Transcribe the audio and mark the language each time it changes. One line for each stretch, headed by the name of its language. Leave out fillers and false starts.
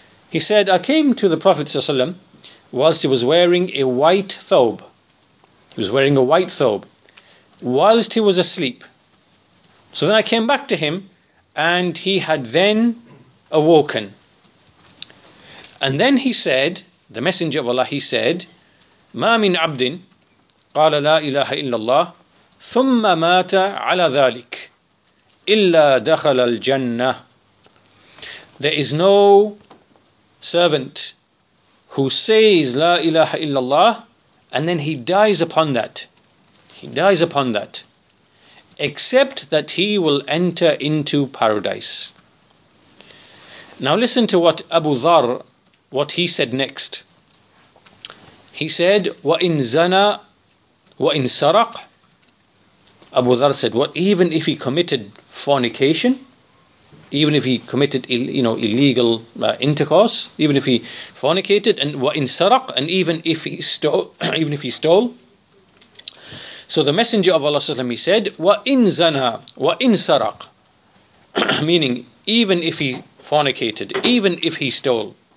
English: He said, I came to the Prophet ﷺ whilst he was wearing a white thobe. He was wearing a white thobe whilst he was asleep. So then I came back to him and he had then awoken. And then he said,
Arabic: the Messenger of Allah, he said, ما من عبد قال لا إله إلا الله ثم مات على ذلك إلا دخل الجنة.
English: There is no servant who says La ilaha illallah, and then he dies upon that. He dies upon that. Except that he will enter into paradise. Now listen to what Abu Dharr, what he said next. He said,
Arabic: وَإِن زَنَى وَإِن سَرَقْ.
English: Abu Dharr said, what, even if he committed fornication, even if he committed illegal intercourse, even if he fornicated, and
Arabic: وَإِن سَرَقْ,
English: and even if he stole, even if he stole. So the Messenger of Allah Sallallahu Alaihi Wasallam, he said,
Arabic: وَإِن زَنَى وَإِن سَرَقْ,
English: meaning even if he fornicated, even if he stole.